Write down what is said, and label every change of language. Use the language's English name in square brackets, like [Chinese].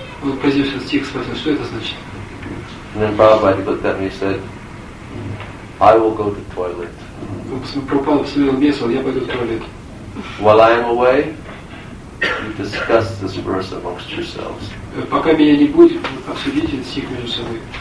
[Russian] Он произнесся стих, спросил, что это значит? [English] And then Prabhupada looked at me and said, "I will go to the toilet." [Russian] Прабхупада посмотрел на меня и сказал, я пойду в туалет. [English] While I am away, you discuss this verse amongst yourselves. [Russian] Пока меня не будет, обсудите этот стих между собой.